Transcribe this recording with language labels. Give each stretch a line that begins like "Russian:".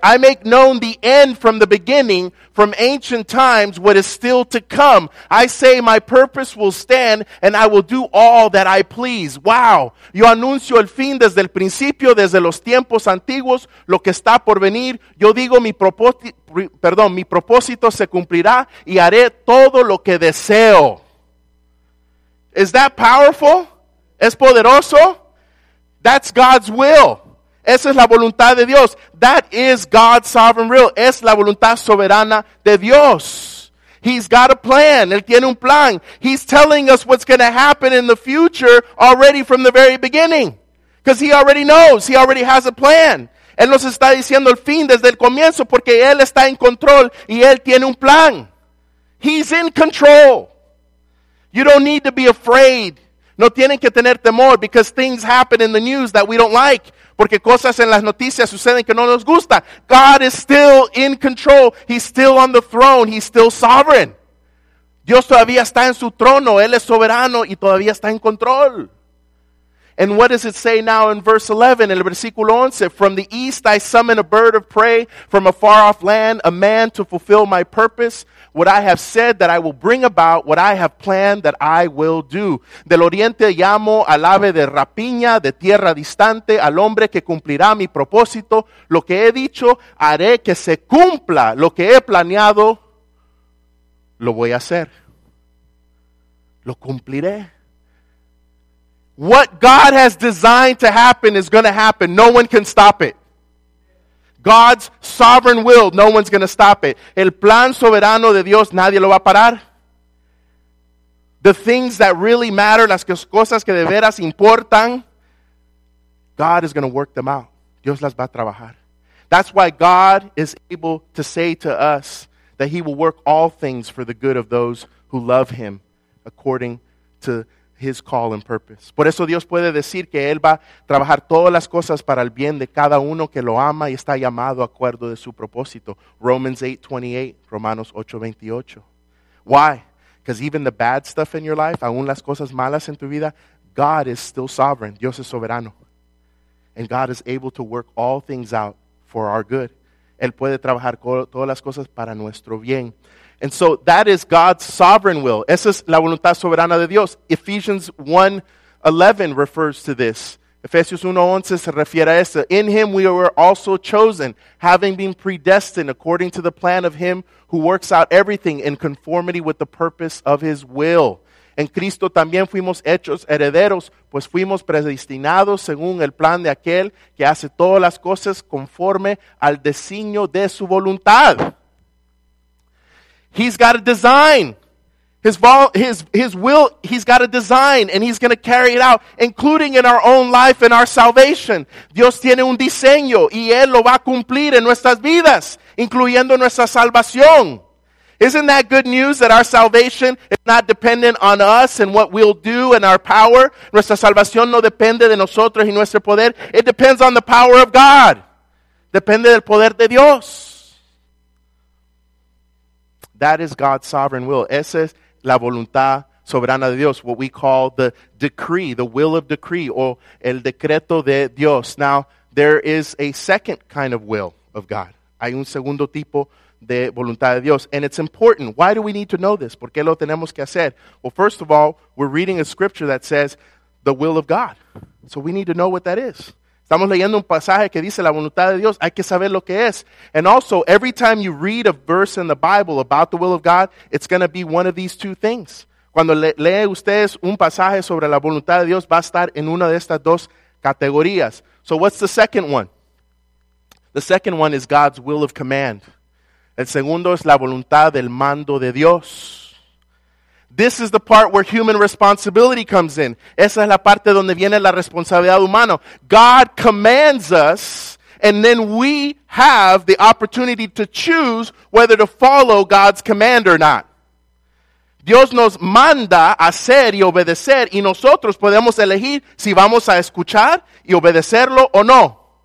English: I make known the end from the beginning, from ancient times, what is still to come. I say my purpose will stand, and I will do all that I please. Wow.
Spanish: Yo anuncio el fin desde el principio, desde los tiempos antiguos, lo que está por venir. Yo digo mi propósito se cumplirá, y haré todo lo que deseo.
English: Is that powerful?
Spanish: ¿Es poderoso?
English: That's God's will.
Spanish: Esa es la voluntad de Dios.
English: That is God's sovereign will.
Spanish: Es la voluntad soberana de Dios.
English: He's got a plan.
Spanish: Él tiene un plan.
English: He's telling us what's going to happen in the future already from the very beginning. Because he already knows. He already has a plan.
Spanish: Él nos está diciendo el fin desde el comienzo porque Él está en control y Él tiene un plan.
English: He's in control. You don't need to be afraid.
Spanish: No tienen que tener temor
English: because things happen in the news that we don't like.
Spanish: Porque cosas en las noticias suceden que no nos gusta.
English: God is still in control. He's still on the throne. He's still sovereign.
Spanish: Dios todavía está en su trono. Él es soberano y todavía está en control.
English: And what does it say now in verse 11?
Spanish: El versículo 11.
English: From the east I summon a bird of prey from a far off land, a man to fulfill my purpose. What I have said that I will bring about, what I have planned that I will do.
Spanish: Del oriente llamo al ave de rapiña, de tierra distante, al hombre que cumplirá mi propósito. Lo que he dicho, haré que se cumpla. Lo que he planeado, lo voy a hacer. Lo cumpliré.
English: What God has designed to happen is going to happen. No one can stop it. God's sovereign will, no one's going to stop it.
Spanish: El plan soberano de Dios, nadie lo va a parar.
English: The things that really matter,
Spanish: las cosas que de veras importan,
English: God is going to work them out.
Spanish: Dios las va a trabajar.
English: That's why God is able to say to us that he will work all things for the good of those who love him according to his call and purpose.
Spanish: Por eso Dios puede decir que Él va a trabajar todas las cosas para el bien de cada uno que lo ama y está llamado a acuerdo de su propósito.
English: Romans 8:28, Romanos 8:28. Why? Because even the bad stuff in your life,
Spanish: aún las cosas malas en tu vida,
English: God is still sovereign.
Spanish: Dios es soberano.
English: And God is able to work all things out for our good.
Spanish: Él puede trabajar todas las cosas para nuestro bien.
English: And so that is God's sovereign will.
Spanish: Esa es la voluntad soberana de Dios.
English: Ephesians 1:11 refers to this.
Spanish: Efesios 1:11 se refiere a esto.
English: In him we were also chosen, having been predestined according to the plan of him who works out everything in conformity with the purpose of his will.
Spanish: En Cristo también fuimos hechos herederos, pues fuimos predestinados según el plan de aquel que hace todas las cosas conforme al designio de su voluntad.
English: He's got a design. His will, he's got a design, and he's going to carry it out, including in our own life and our salvation.
Spanish: Dios tiene un diseño, y Él lo va a cumplir en nuestras vidas, incluyendo nuestra salvación.
English: Isn't that good news that our salvation is not dependent on us and what we'll do and our power?
Spanish: Nuestra salvación no depende de nosotros y nuestro poder.
English: It depends on the power of God.
Spanish: Depende del poder de Dios.
English: That is God's sovereign will.
Spanish: Esa es la voluntad soberana de Dios,
English: what we call the decree, the will of decree,
Spanish: o el decreto de Dios.
English: Now, there is a second kind of will of God.
Spanish: Hay un segundo tipo de voluntad de Dios.
English: And it's important. Why do we need to know this?
Spanish: ¿Por qué lo tenemos que hacer?
English: Well, first of all, we're reading a scripture that says the will of God. So we need to know what that is.
Spanish: Estamos leyendo un pasaje que dice la voluntad de Dios. Hay que saber lo que es.
English: And also, every time you read a verse in the Bible about the will of God, it's going to be one of these two things.
Spanish: Cuando lee ustedes un pasaje sobre la voluntad de Dios, va a estar en una de estas dos categorías.
English: So what's the second one? The second one is God's will of command.
Spanish: El segundo es la voluntad del mando de Dios.
English: This is the part where human responsibility comes in.
Spanish: Esa es la parte donde viene la responsabilidad humana.
English: God commands us, and then we have the opportunity to choose whether to follow God's command or not.
Spanish: Dios nos manda a hacer y obedecer, y nosotros podemos elegir si vamos a escuchar y obedecerlo o no.